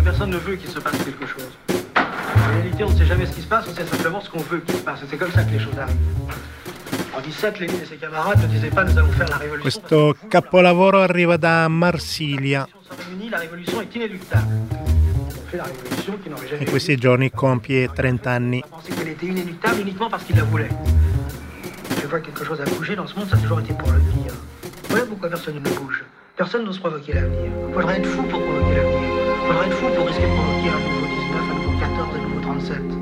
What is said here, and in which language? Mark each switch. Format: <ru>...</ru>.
<fr>Ne veut qu'il se passe quelque chose. En réalité, on ne sait jamais ce qui se passe, on sait simplement ce qu'on veut qu'il se passe. C'est comme ça que les choses arrivent. En 17, Lénine et ses camarades ne disaient pas nous allons faire la révolution.</fr> <it>Questo capolavoro arriva da Marsiglia.</it> <fr>La révolution est inéluctable. On fait la révolution qui n'aurait jamais.</fr> <it>In questi giorni compie 30 anni.</it> <fr>On pensait qu'elle était inéluctable uniquement parce qu'il la voulait. Je vois quelque chose a bougé dans ce monde, ça a toujours été pour le pire. Voilà pourquoi personne ne bouge. Personne n'ose provoquer l'avenir. On pourrait être fou pour provoquer l'avenir. Il faudrait être fou pour risquer de provoquer un nouveau 19, un nouveau 14, un nouveau 37.</fr>